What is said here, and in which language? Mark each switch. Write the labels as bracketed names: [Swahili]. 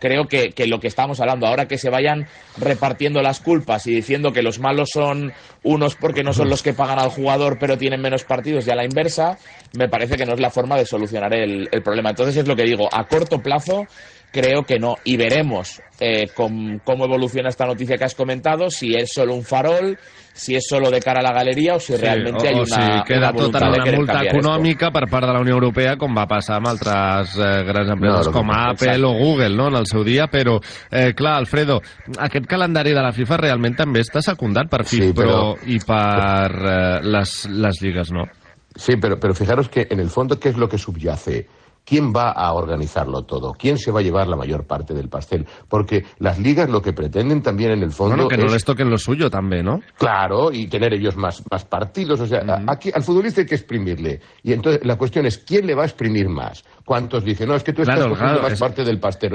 [Spanish] Creo que lo que estamos hablando ahora, que se vayan repartiendo las culpas y diciendo que los malos son unos porque no son los que pagan al jugador pero tienen menos partidos y a la inversa, me parece que no es la forma de solucionar el problema. Entonces es lo que digo, a corto plazo creo que no, y veremos cómo evoluciona esta noticia que has comentado, si es solo un farol, si és solo de cara a la galeria o [Catalan] si realment hi ha una queda tota una multa econòmica per part de la Unió Europea, com va passar amb altres grans empreses com Apple o Google, no, en el seu dia, però clar, Alfredo, aquest calendari de la FIFA realment també està secundat per FIFA i per les lligues, no? [Spanish] Sí, [Catalan] però [Spanish] fijaros que en el fondo què és lo que subyace. ¿Quién va a organizarlo todo? ¿Quién se va a llevar la mayor parte del pastel? Porque las ligas lo que pretenden también en el fondo... Bueno, que no les toquen lo suyo también, ¿no? Claro, y tener ellos más partidos. O sea, aquí al futbolista hay que exprimirle. Y entonces la cuestión es, ¿quién le va a exprimir más? ¿Cuántos dicen? No, es que tú estás cogiendo más parte del pastel.